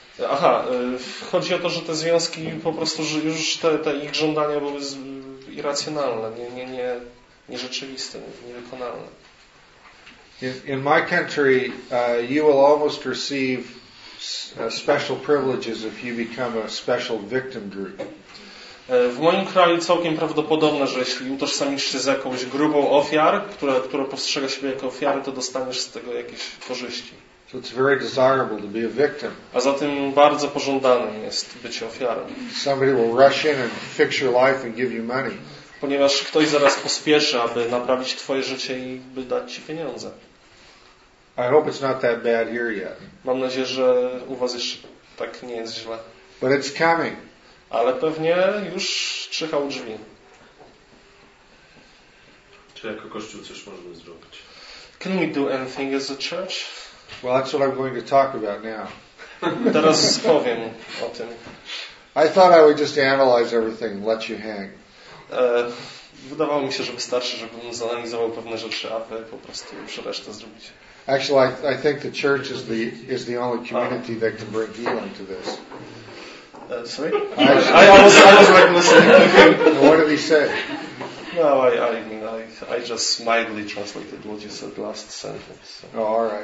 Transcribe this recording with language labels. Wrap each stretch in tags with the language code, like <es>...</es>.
<pl>Aha, chodzi o to, że te związki po prostu, że już te ich żądania były irracjonalne, nierzeczywiste, niewykonalne.</pl> <en>In my country, you will almost receive special privileges if you become a special victim group.</en> <pl>W moim kraju całkiem prawdopodobne, że jeśli utożsamisz się z jakąś grupą ofiar, która postrzega siebie jako ofiary, to dostaniesz z tego jakieś korzyści.</pl> <en>So it's very desirable to be a victim.</en> <pl>A zatem bardzo pożądanym jest być ofiarą.</pl> <en>Somebody will rush in and fix your life and give you money.</en> <pl>Ponieważ ktoś zaraz pospieszy, aby naprawić twoje życie i by dać ci pieniądze.</pl> <en>I hope it's not that bad here yet.</en> <pl>Mam nadzieję, że u was jeszcze tak nie jest źle.</pl> <en>But it's coming.</en> <pl>Ale pewnie już czyhał drzwi. Czy jako kościół coś możemy zrobić?</pl> <en>Can we do anything as a church? Well, that's what I'm going to talk about now.</en> <pl>Teraz powiem o tym.</pl> <en>I thought I would just analyze everything and let you hang.</en> <pl>Wydawało mi się, że wystarczy, żebym zanalizował pewne rzeczy, aby po prostu już resztę zrobić.</pl> <en>Actually, I think the church is the only community that can bring healing to this. Sorry? I was like listening. What did he say? No, I just mildly translated what you said last sentence. So oh, all right.</en>